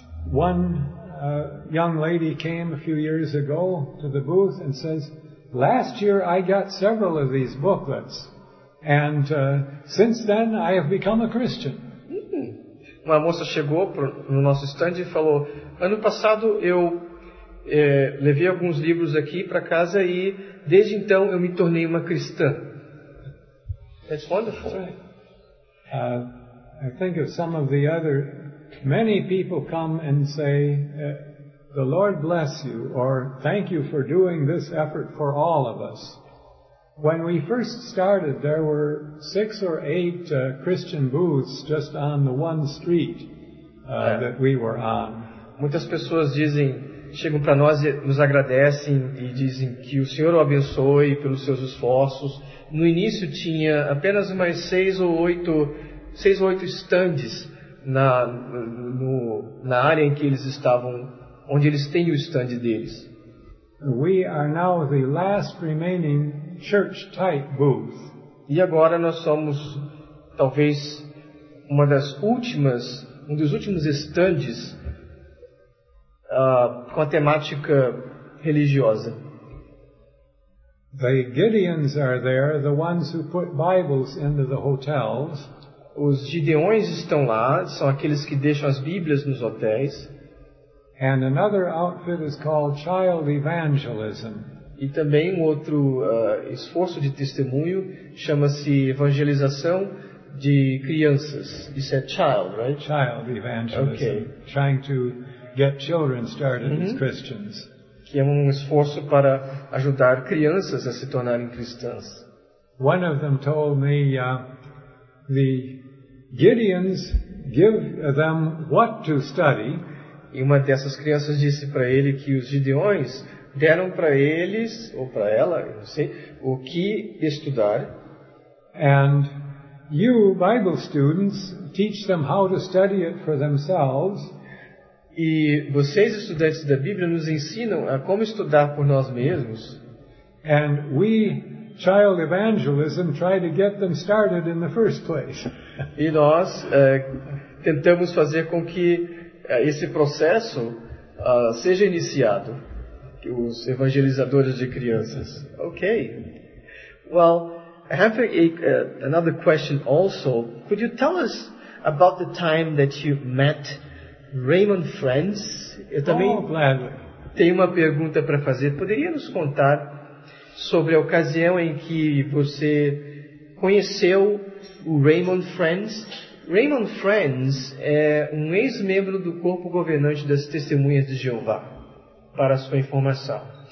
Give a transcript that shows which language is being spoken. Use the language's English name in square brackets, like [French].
[English] One young lady came a few years ago to the booth and says, "Last year I got several of these booklets, and since then I have become a Christian." [Portuguese] Uma moça chegou no nosso stand e falou: "Ano passado eu levei alguns livros aqui para casa e desde então eu me tornei uma cristã." [English] That's wonderful. That's right. I think of some of the other. Many people come and say, "The Lord bless you," or "Thank you for doing this effort for all of us." When we first started, there were 6 or 8 Christian booths just on the one street that we were on. [Portuguese] Muitas pessoas dizem, chegam para nós e nos agradecem e dizem que o Senhor o abençoe pelos seus esforços. No início tinha apenas umas 6 ou 8 stands na área em que eles estavam, onde eles têm o stand deles. [English] We are now the last remaining church type booth. [Portuguese] E agora nós somos talvez um dos últimos stands com a temática religiosa. [English] The Gideons are there, the ones who put Bibles into the hotels. [Portuguese] Os Gideões estão lá, são aqueles que deixam as Bíblias nos hotéis. [English] And another outfit is called Child Evangelism. [Portuguese] E também um outro esforço de testemunho chama-se evangelização de crianças. [English] You said child, right? Child evangelism. Okay. Trying to get children started as Christians. [Portuguese] Que é um esforço para ajudar crianças a se tornarem cristãs. [English] One of them told me the Gideons give them what to study. [Portuguese] E uma dessas crianças disse para ele que os Gideões deram para eles, ou para ela, não sei, o que estudar. [English] And you Bible students teach them how to study it for themselves. [Portuguese] E vocês, estudantes da Bíblia, nos ensinam a como estudar por nós mesmos. [English] And we, child evangelism, try to get them started in the first place. [Portuguese] E nós tentamos fazer com que esse processo seja iniciado, os evangelizadores de crianças. [English] Okay. Well, I have another question also. Could you tell us about the time that you met Raymond Friends? [Portuguese] Eu também tenho uma pergunta para fazer. Poderia nos contar sobre a ocasião em que você conheceu o Raymond Friends? Raymond Friends é um ex-membro do corpo governante das Testemunhas de Jeová, para sua informação.